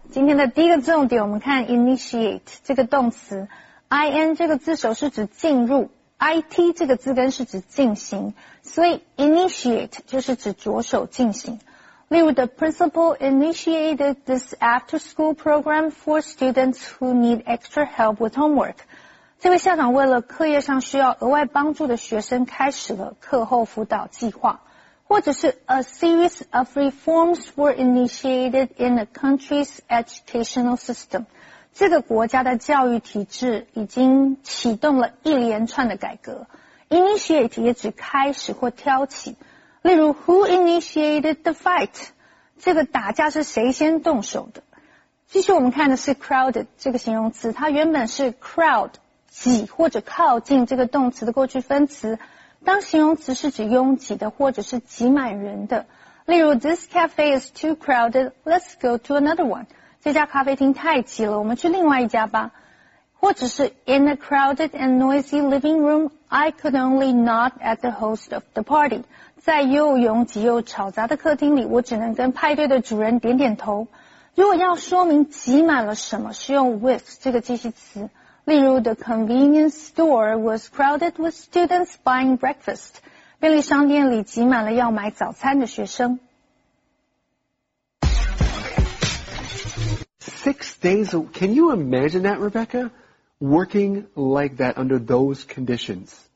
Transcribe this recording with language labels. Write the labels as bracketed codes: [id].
[zh] 今天的第一个重点我们看 initiate 这个动词 ,in 这个字首是指进入 ,it 这个字根是指进行。所以 initiate 就是指着手进行。例如 [en] ,the principal initiated this after school program for students who need extra help with homework. [zh] 这位校长为了课业上需要额外帮助的学生开始了课后辅导计划。或者是 [en] a series of reforms were initiated in the country's educational system. [zh] 这个国家的教育体制已经启动了一连串的改革。 Initiate 也指开始或挑起。例如 , [en] who initiated the fight? [zh] 这个打架是谁先动手的？继续我们看的是 crowded 这个形容词，它原本是 crowd, 挤或者靠近这个动词的过去分词。当形容词是指拥挤的或者是挤满人的，例如 [en] This cafe is too crowded, let's go to another one. [zh] 这家咖啡厅太挤了，我们去另外一家吧。或者是 [en] In a crowded and noisy living room, I could only nod at the host of the party. [zh] 在又拥挤又吵杂的客厅里，我只能跟派对的主人点点头。如果要说明挤满了什么，是用 with 这个介系词。例如 [en] ,the convenience store was crowded with students buying breakfast. [zh] 便利商店里挤满了要买早餐的学生。 [en] 6 days, can you imagine that, Rebecca? Working like that under those conditions.